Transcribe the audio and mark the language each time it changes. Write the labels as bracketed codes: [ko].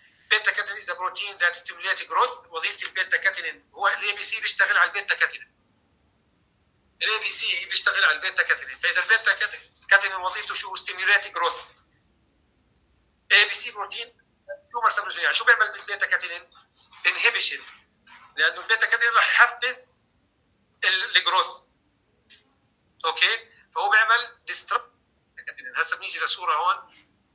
[en] Beta catenin is a protein that stimulates growth. [ar] وظيفة البيتا كاتينين هو ال ABC بيشتغل على البيتا كاتينين. ال ABC بيشتغل على البيتا كاتينين. فإذا البيتا كاتينين وظيفته شو؟ [en] stimulates growth. ABC protein tumor suppressor gene [ar] شو بيعمل بالبيتا كاتينين؟ [en] inhibition. [ar] لانه البيتا كاتينين راح يحفز الجروث. اوكي، فهو بيعمل ديستراب. هسه بنيجي للصوره هون.